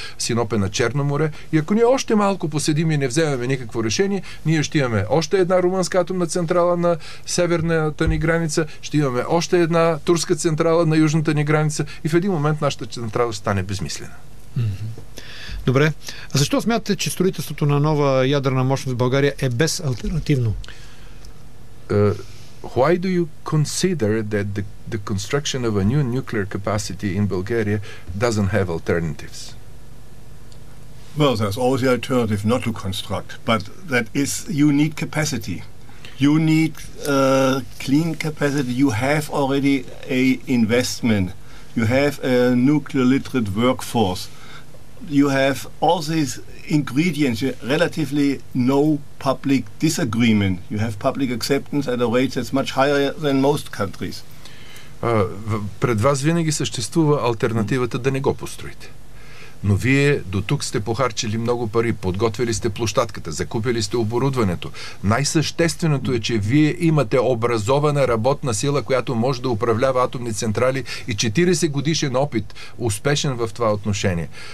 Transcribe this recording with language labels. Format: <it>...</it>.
<bg>Синоп е на Черно море. И ако ние още малко поседим и не вземаме никакво решение, ние ще имаме още една румънска атомна централа на северната ни граница, ще имаме още една турска централа на южната ни граница и в един момент нашата централа стане безмислена. Добре. А защо смятате, че строителството на нова ядрена мощност в България е безалтернативно?</bg> <en>Why do you consider that the construction of a new nuclear capacity in Bulgaria doesn't have alternatives? Well, there's always the alternative not to construct, but that is, you need capacity. You need clean capacity. You have already a investment. You have a nuclear literate workforce. You have all these ingredients, relatively no public disagreement. You have public acceptance at a rate that's much higher than most countries.</en> <bg>Пред вас винаги съществува алтернативата да не го построите. Но вие до тук сте похарчили много пари, подготвили сте площадката, закупили сте оборудването. Най-същественото е, че вие имате образована работна сила, която може да управлява атомни централи и 40 годишен опит, успешен в това отношение.</bg>